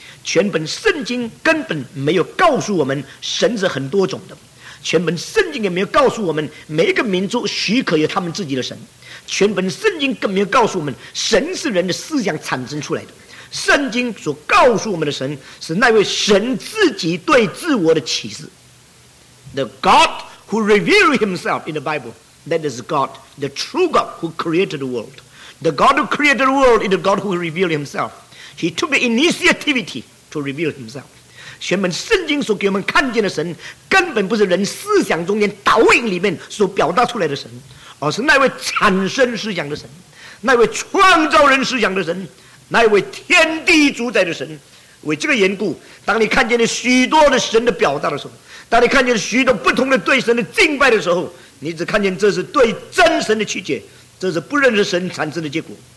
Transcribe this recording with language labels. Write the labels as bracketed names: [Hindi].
[Chinese] 全本圣经根本没有告诉我们神是很多种的，全本圣经也没有告诉我们每一个民族许可有他们自己的神，全本圣经更没有告诉我们神是人的思想产生出来的。圣经所告诉我们的神是那位神自己对自我的启示。 [English] The God who revealed himself in the Bible, that is God, the true God who created the world. The God who created the world is the God who revealed himself. He took the initiativity to reveal himself. [Chinese] 全本圣经所给我们看见的神根本不是人思想中间倒影里面所表达出来的神，而是那位产生思想的神，那位创造人思想的神，那位天地主宰的神。为这个缘故，当你看见了许多的神的表达的时候，当你看见了许多不同的对神的敬拜的时候，你只看见这是对真神的曲解，这是不认识神产生的结果。